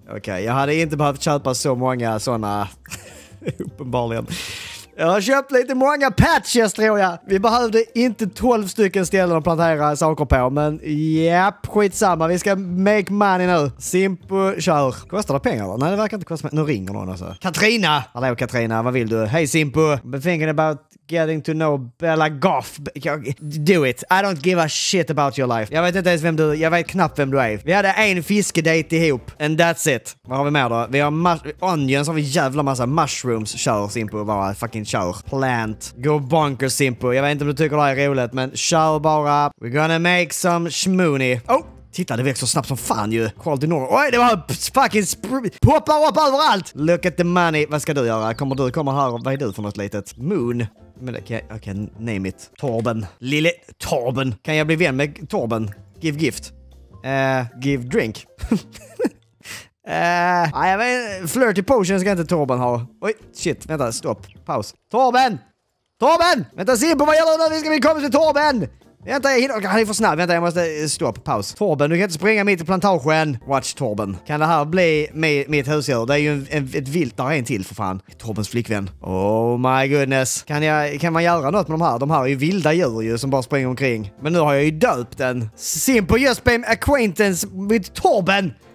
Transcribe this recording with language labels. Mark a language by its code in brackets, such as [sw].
[sv] Okej, jag hade inte behövt köpa så många sådana. Uppenbarligen. Jag har köpt lite många patches tror jag. Vi behövde inte 12 stycken ställen att plantera saker på. Men japp, skitsamma. Vi ska [en] make money [sv] nu. Simpo, kör. Kostar det pengar då? Nej, det verkar inte kosta. Nu ringer någon alltså. Katrina! Hallå Katrina, vad vill du? Hej Simpo. [en] I've been thinking about getting to know Bella Goff. Do it. I don't give a shit about your life. [sv] Jag vet inte ens vem du är. Jag vet knappt vem du är. Vi hade en fiskedate ihop. [en] And that's it. [sv] Vad har vi mer då? Vi har onions. Har vi jävla massa mushrooms. Kör Simpo bara. Fucking kör. Plant. [en] Go bonkers [sv] Simpo. Jag vet inte om du tycker det här är roligt. Men kör bara. [en] We're gonna make some shmooney. [sv] Oh! Titta, det växer så snabbt som fan ju. Quality norm. Oj, det var fucking poppar upp överallt. [en] Look at the money. [sv] Vad ska du göra? Kommer du komma här? Vad är du för något litet? Moon. Men det kan jag... Okej, [en] name it. [sv] Torben. Lille Torben. Kan jag bli vän med Torben? [en] Give gift. Give drink. [sv] Jag vet inte. Flirty potion ska inte Torben ha. Oj, shit. Vänta, stopp. Paus. Torben! Torben! Vänta, Simpo, vad gäller det nu? Vi ska bli kompis med Torben! Vänta, jag hinner. Han är för snabb. Vänta, jag måste stopp. Paus. Torben, du kan inte springa mitt i plantagen. Watch Torben. Kan det här bli mitt husdjur? Det är ju ett vilt. Där är en till, för fan. Torbens flickvän. [en] Oh my goodness. [sv] Kan man göra något med de här? De här är ju vilda djur ju, som bara springer omkring. Men nu har jag ju döpt den. [en] Simple just became acquaintance with Torben.